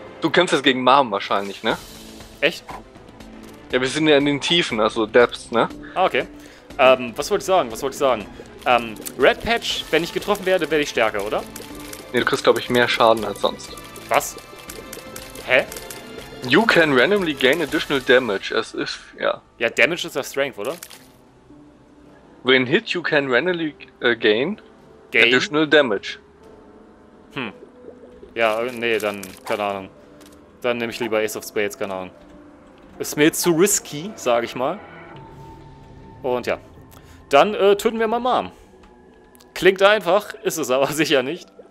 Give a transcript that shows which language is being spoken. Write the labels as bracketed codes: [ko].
[de] Du kämpfst jetzt gegen Marm wahrscheinlich, ne? Echt? Ja, wir sind ja in den Tiefen, also Depths, ne? Ah, okay. Was wollte ich sagen? Red Patch, wenn ich getroffen werde, werde ich stärker, oder? Nee, du kriegst, glaube ich, mehr Schaden als sonst. Was? Hä? [en] You can randomly gain additional damage as if, ja. [de] Ja, Damage ist ja Strength, oder? [en] When hit, you can randomly gain additional damage. Hm. [de] Ja, nee, dann, keine Ahnung. Dann nehme ich lieber Ace of Spades, keine Ahnung. Ist mir jetzt zu risky, sage ich mal. Und ja. Dann töten wir mal Mom. Klingt einfach, ist es aber sicher nicht.